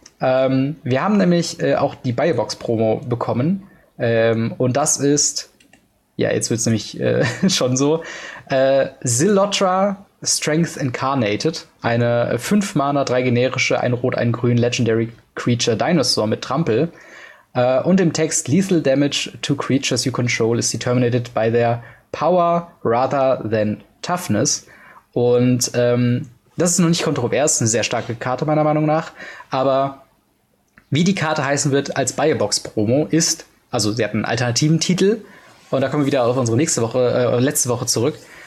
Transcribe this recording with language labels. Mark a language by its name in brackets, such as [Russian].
[German] Wir haben nämlich auch die Biobox-Promo bekommen. Und das ist, ja, jetzt wird es nämlich schon so, Zilotra Strength Incarnated, eine 5-Mana, 3 generische, 1 rot, 1 grün, Legendary Creature Dinosaur mit Trampel. Und im Text, [English] Lethal Damage to Creatures You Control is Determined by their Power rather than Toughness. [German] Und das ist noch nicht kontrovers, eine sehr starke Karte meiner Meinung nach. Aber wie die Karte heißen wird als Biobox-Promo ist, also sie hat einen alternativen Titel, und da kommen wir wieder auf unsere letzte Woche zurück.